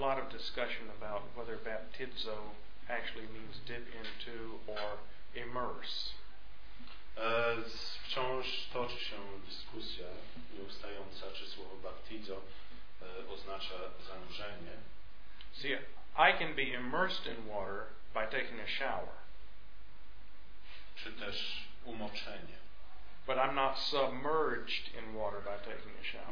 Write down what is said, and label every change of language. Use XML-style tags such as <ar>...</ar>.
<en>Discussion about whether baptizo actually means dip into or immerse.</en> <pl>Wciąż toczy się dyskusja nieustająca, czy słowo baptizo oznacza zanurzenie.</pl> <en>See, I can be immersed in water by taking a shower.</en> <pl>Czy też umoczenie.</pl> <en>But I'm not submerged in water by taking a shower.</en>